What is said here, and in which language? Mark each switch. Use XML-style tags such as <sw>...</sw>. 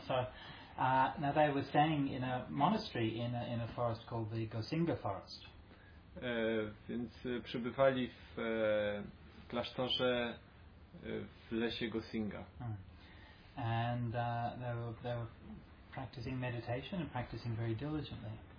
<en>So, now they were staying in a monastery in a forest called the Gosinga Forest.</en> <pl>Więc przebywali w klasztorze w lesie Gosinga.</pl> <en>And they were practicing meditation and practicing very diligently.</en>